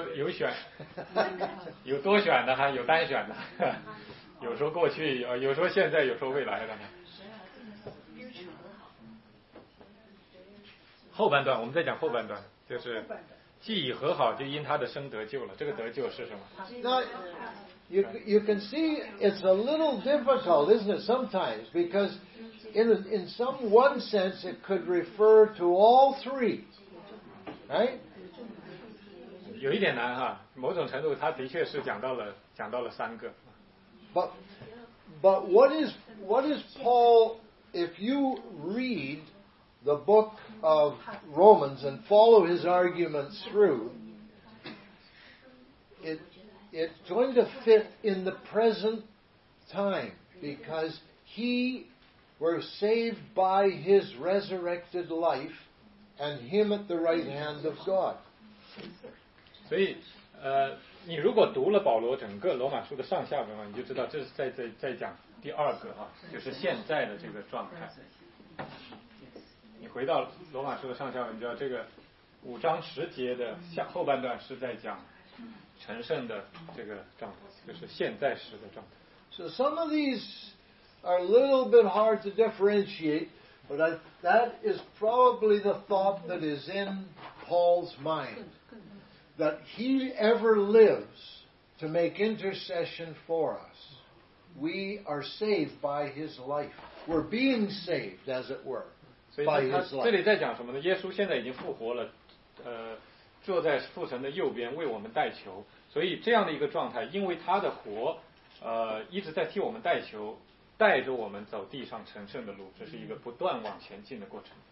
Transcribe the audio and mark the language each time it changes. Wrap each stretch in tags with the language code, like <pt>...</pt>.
<zh>有选，有多选的哈，有单选的，有时候过去，有时候现在，有时候未来的。后半段，我们再讲后半段，就是既已和好，就因他的生得救了。这个得救是什么？</zh> <en>You can see it's a little difficult, isn't it, sometimes? Because in some one sense, it could refer to all three. Right?</en> <zh>有一点难哈，某种程度它的确是讲到了三个。</zh> <en>But what is Paul, if you read the book of Romans and follow his arguments through, it's going to fit in the present time, because he were saved by his resurrected life and him at the right hand of God.</en> <zh>所以你如果读了保罗整个罗马书的上下文，你就知道这是在讲第二个啊，就是现在的这个状态。你回到罗马书的上下文，你知道这个五章十节的下后半段是在讲成圣的这个状态，就是现在时的状态。</zh> <en>So some of these are a little bit hard to differentiate, but that is probably the thought that is in Paul's mind. That he ever lives to make intercession for us. We are saved by his life. We're being saved, as it were, by his life.</en> <zh>这里在讲什么呢？耶稣现在已经复活了，坐在父神的右边为我们代求。所以这样的一个状态，因为他的活，一直在替我们代求，带着我们走地上成圣的路。这是一个不断往前进的过程。</zh>